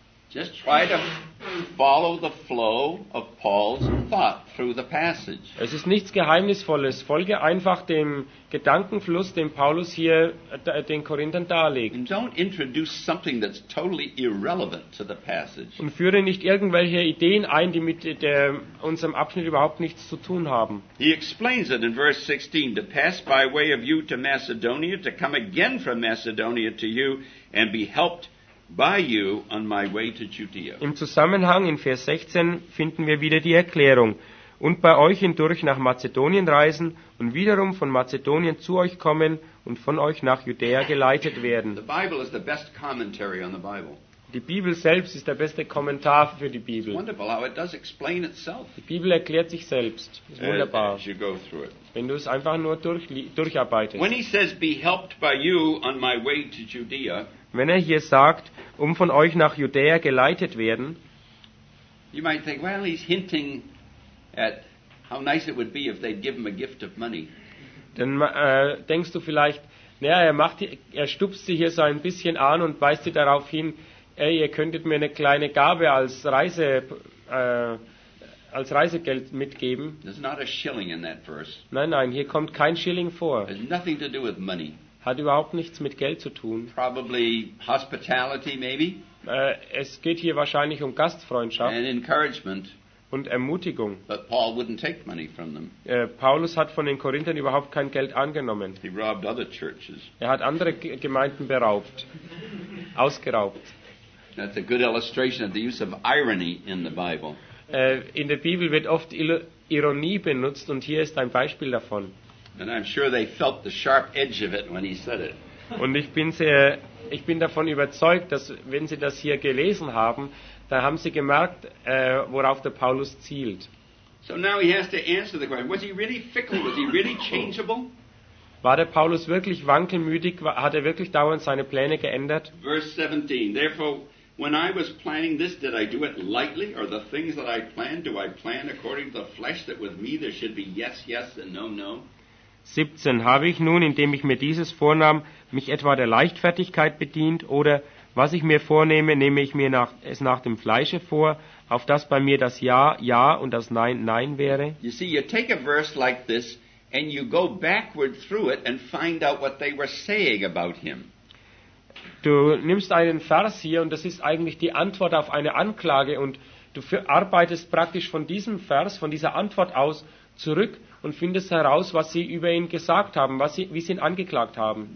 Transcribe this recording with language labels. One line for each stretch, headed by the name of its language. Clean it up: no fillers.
English: Just try to follow the flow of Paul's thought through the passage.
German: Es ist nichts Geheimnisvolles. Folge einfach dem Gedankenfluss, den Paulus hier den Korinthern darlegt.
English: And don't introduce something that's totally irrelevant to the passage.
German: Und führe nicht irgendwelche Ideen ein, die mit unserem Abschnitt überhaupt nichts zu tun haben.
English: He explains it in verse 16, to pass by way of you to Macedonia, to come again from Macedonia to you and be helped by you on my way to Judea.
German: Im Zusammenhang in Vers 16 finden wir wieder die Erklärung. Und bei euch hindurch nach Mazedonien reisen und wiederum von Mazedonien zu euch kommen und von euch nach Judäa geleitet werden.
English: The Bible is the best commentary on the Bible.
German: Die Bibel selbst ist der beste Kommentar für die Bibel.
English: It's wonderful how it does explain itself.
German: Die Bibel erklärt sich selbst. Ist wunderbar.
English: As you go through it.
German: Wenn du es einfach nur durcharbeitest.
English: When he says, be helped by you on my way to Judea.
German: Wenn er hier sagt, um von euch nach Judäa geleitet werden,
English: you might think, well, he's hinting at how nice it would be if they'd give him a gift of money.
German: Dann denkst du vielleicht, naja, er stupst sie hier so ein bisschen an und weist sie darauf hin, ey, ihr könntet mir eine kleine Gabe als Reisegeld mitgeben.
English: There's not a shilling in that verse.
German: Nein, nein, hier kommt kein Schilling vor.
English: There's nothing to do with money.
German: Hat überhaupt nichts mit Geld zu tun.
English: Probably hospitality, maybe.
German: Es geht hier wahrscheinlich um Gastfreundschaft
English: and encouragement.
German: Und Ermutigung.
English: But Paul wouldn't take money from them.
German: Paulus hat von den Korinthern überhaupt kein Geld angenommen.
English: He robbed other churches.
German: Er hat andere Gemeinden beraubt, ausgeraubt.
English: That's a good illustration of the use of irony in the Bible.
German: In der Bibel wird oft Ironie benutzt und hier ist ein Beispiel davon.
English: And I'm sure they felt the sharp edge of it when he said it.
German: Und ich bin davon überzeugt, dass wenn sie das hier gelesen haben, da haben sie gemerkt, worauf der Paulus zielt.
English: So now he has to answer the question, was he really fickle? Was he really changeable?
German: War der Paulus wirklich wankelmütig? Hat wirklich dauernd seine Pläne geändert?
English: Verse 17, therefore, when I was planning this, did I do it lightly? Or the things that I planned, do I plan according to the flesh, that with me there should be yes, yes, and no, no?
German: 17, habe ich nun, indem ich mir dieses vornahm, mich etwa der Leichtfertigkeit bedient, oder was ich mir vornehme, nehme ich mir es nach dem Fleische vor, auf das bei mir das Ja, Ja und das Nein, Nein wäre?
English: You see, you take a verse like this, and you go backward through it and find out what they were saying about him.
German: Du nimmst einen Vers hier und das ist eigentlich die Antwort auf eine Anklage und du arbeitest praktisch von diesem Vers, von dieser Antwort aus zurück und findest heraus, was sie über ihn gesagt haben, wie sie ihn angeklagt haben.